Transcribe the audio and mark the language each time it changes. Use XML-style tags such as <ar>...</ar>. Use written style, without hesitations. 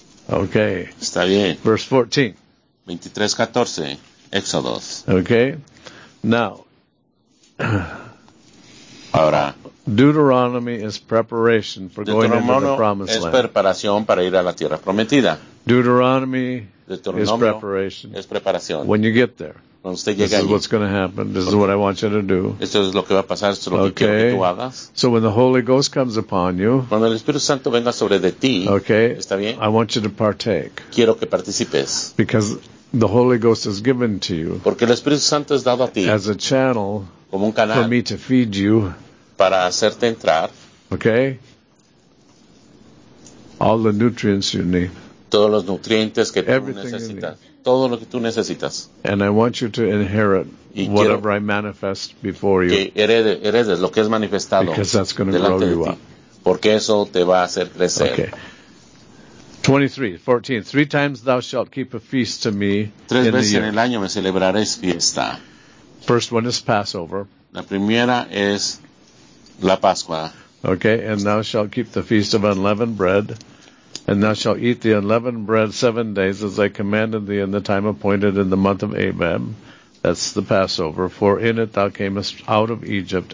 <en>Okay.</en> <es>Está bien.</es> <en>Verse 14. 23, 14. Exodus. Okay. Now,</en> <es>Ahora,</es> <en>Deuteronomy is preparation for going into the promised land.</en> <es>Es preparación para ir a la tierra prometida.</es> <en>Deuteronomy is preparation.</en> <es>Es preparación.</es> <en>When you get there.</en> <es>Cuando usted llega</es> <en>this is</en> <es>allí.</es> <en>What's going to happen. This is what I want you to do.</en> <es>Esto es lo que va a pasar. Esto es lo</es> <en>okay.</en> <es>que quiero que tú hagas.</es> <en>So when the Holy Ghost comes upon you.</en> <es>Cuando el Espíritu Santo venga sobre de ti.</es> <en>Okay.</en> <es>Está bien.</es> <en>I want you to partake.</en> <es>Quiero que participes.</es> <en>Because the Holy Ghost is given to you.</en> <es>Porque el Espíritu Santo es dado a ti.</es> <en>As a channel.</en> <es>Como un canal.</es> <en>For me to feed you.</en> <es>Para hacerte entrar.</es> <en>Okay. All the nutrients you need.</en> <es>Todos los nutrientes que</es> <en>everything</en> <es>tú necesitas. Todo lo que tú necesitas.</es> <en>And I want you to inherit whatever I manifest before you.</en> <es>Que heredes lo que es manifestado.</es> <en>Because that's going to grow you up.</en> <es>Porque eso te va a hacer crecer.</es> <en>Okay. 23:14. Three times thou shalt keep a feast to me.</en> <es>Tres veces en el año me celebraréis fiesta.</es> <en>First one is Passover.</en> <es>La primera es la Pascua.</es> <en>Okay, and thou shalt keep the feast of unleavened bread. And thou shalt eat the unleavened bread 7 days, as I commanded thee in the time appointed in the month of Abib. That's the Passover. For in it thou camest out of Egypt.</en>